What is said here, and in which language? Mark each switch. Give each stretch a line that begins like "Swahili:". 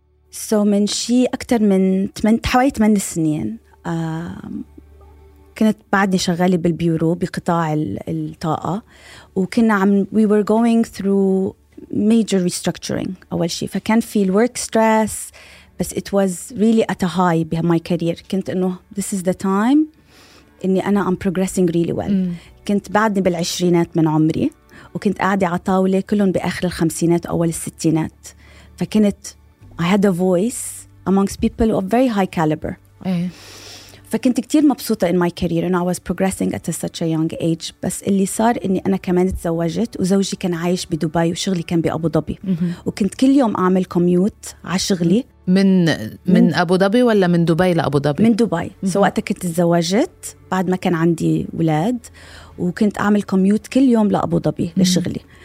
Arabic: سو من شيء اكتر من حوالي 8 سنين كنت بعدني شغالة بالبيورو بقطاع الطاقة، وكنا عم
English: we were going through major restructuring
Arabic: أول شيء، فكان في الwork stress، بس
English: it was really at a high
Arabic: بها
English: my career.
Arabic: كنت إنه
English: this is the time
Arabic: إني أنا
English: I'm progressing really well.
Arabic: كنت بعدني بالعشرينات من عمري، وكنت قاعدة على طاولة كلهم بآخر الخمسينات أول الستينات، فكنت
English: I had a voice amongst people of very high caliber.
Arabic: فكنت كتير مبسوطة
English: in my career and I was progressing at such a young age.
Arabic: بس اللي صار إني أنا كمان تزوجت، وزوجي كان عايش بدبي وشغلي كان بأبوظبي، وكنت كل يوم أعمل كوميوت على شغلي من أبوظبي ولا من دبي لأبوظبي؟ من دبي. سوقتها كنت تزوجت بعد ما كان عندي ولاد، وكنت أعمل كوميوت كل يوم لأبوظبي لشغلي.